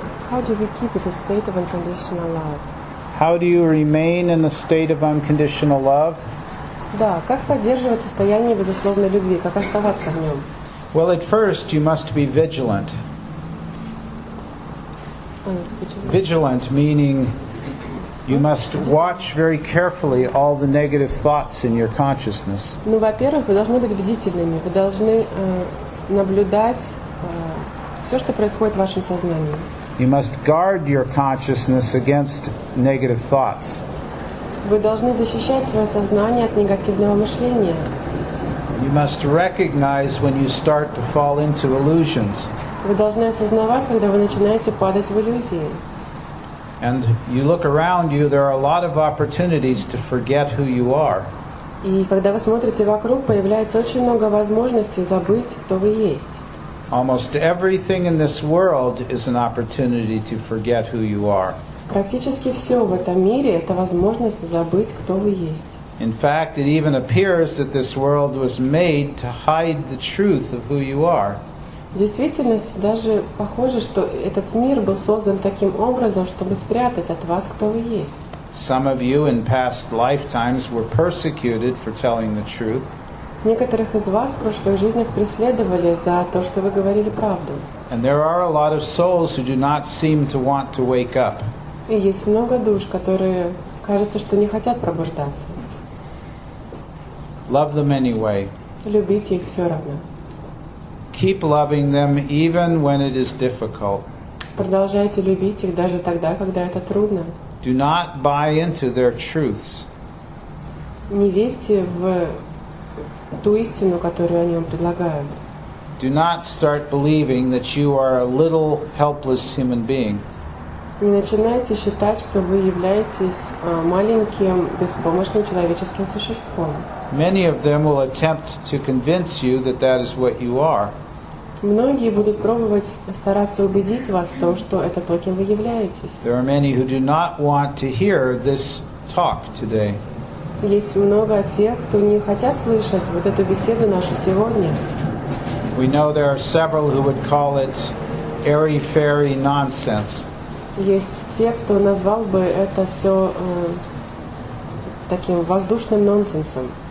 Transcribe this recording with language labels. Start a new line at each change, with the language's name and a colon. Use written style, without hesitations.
English: How do we keep it a state of unconditional love? How do you remain in a state of unconditional love?
Russian: Да, как поддерживать состояние безусловной любви, как оставаться в нем?
English: Well, at first you must be vigilant. vigilant, meaning you must watch very carefully all the negative thoughts in your consciousness.
Russian: Ну, во-первых, вы должны быть бдительными, вы должны наблюдать все, что происходит в вашем сознании.
English: You must guard your consciousness against negative thoughts.
Russian: Вы должны защищать свое сознание от негативного мышления.
English: You must recognize when you start to fall into illusions.
Russian: Вы должны осознавать, когда вы начинаете падать в иллюзии.
English: And you look around you, there are a lot of opportunities to forget who you are.
Russian: И когда вы смотрите вокруг, появляется очень много возможностей забыть, кто вы есть.
English: Almost everything in this world is an opportunity to forget who you are.
Russian: Практически все в этом мире – это возможность забыть, кто вы есть.
English: In fact, it even appears that this world was made to hide the truth of who you are.
Russian: В действительности даже похоже, что этот мир был создан таким образом, чтобы спрятать от вас, кто вы есть.
English: Some of you in past lifetimes were persecuted for telling the truth.
Russian: Некоторых из вас в прошлых жизнях преследовали за то, что вы говорили правду.
English: And there are a lot of souls who do not seem to want to wake up.
Russian: И есть много душ, которые, кажется, что не хотят пробуждаться.
English: Love them anyway.
Russian: Любите их все равно.
English: Keep loving them even when it is difficult.
Russian: Продолжайте любить их даже тогда, когда это трудно.
English: Do not buy into their truths.
Russian: Не верьте в ту истину, которую они вам предлагают.
English: Do not start believing that you are a little helpless human being.
Russian: Не начинайте считать, что вы являетесь маленьким, беспомощным человеческим существом.
English: Many of them will attempt to convince you that that is what you are.
Russian: Многие будут пробовать стараться убедить вас в том, что это то, кем вы являетесь.
English: There are many who do not want to hear this talk today.
Russian: Есть много тех, кто не хотят слышать вот эту беседу нашу сегодня.
English: We know there are several who would call it airy-fairy nonsense.
Russian: Есть те, кто назвал бы это все таким воздушным нонсенсом.